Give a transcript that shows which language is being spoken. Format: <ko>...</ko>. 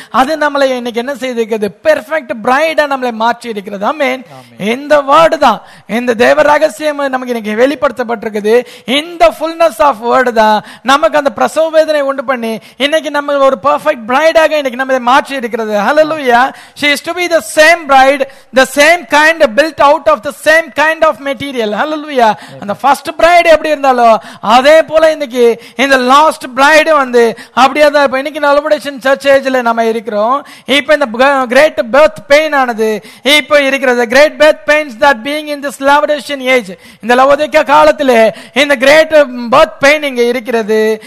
<ta>அது நம்மளை இன்னைக்கு என்ன செய்திருக்கிறது</ta> <en>perfect bride</en> <ta>நம்மளை மாற்றி இருக்கிறது. ஆமென். இந்த வேர்டு தான் இந்த தேவ ரகசியம் நமக்கு இன்னைக்கு வெளிப்படுத்தப்பட்டிருக்குது. இந்த</ta> <en>fullness of word</en> <ta>தான் நமக்கு அந்த பிரசவ வேதனை உண்டு பண்ணி இன்னைக்கு நம்ம ஒரு</ta> <en>perfect பிரைடாக</en> <ta>இன்னைக்கு மாற்றி இருக்கிறது. ஹல்லேலூயா.</ta> <en>She is to be the same bride, the same kind built out of the same kind of material.</en> <ta>ஹல்லேலூயா. அந்த</ta> <en>first bride</en> <ta>எப்படி இருந்தாலோ அதே போல இன்னைக்கு இந்த</ta> <en>last bride</en> <ta>வந்து அப்படியே தான் இன்னைக்கு நலவடேஷன் சர்ச் ஏஜ்ல நாம இருக்கிறோம். இப்போ இந்த</ta> <en>great birth pain</en> <ta>ஆனது இப்போ இருக்கிறது.</ta> <en>great birth pains that being in this lavadation age,</en> <ta>இந்த லவோதிக காலத்திலே இந்த</ta> <en>great birth pain</en> <ta>இங்க இருக்கிறது.</ta>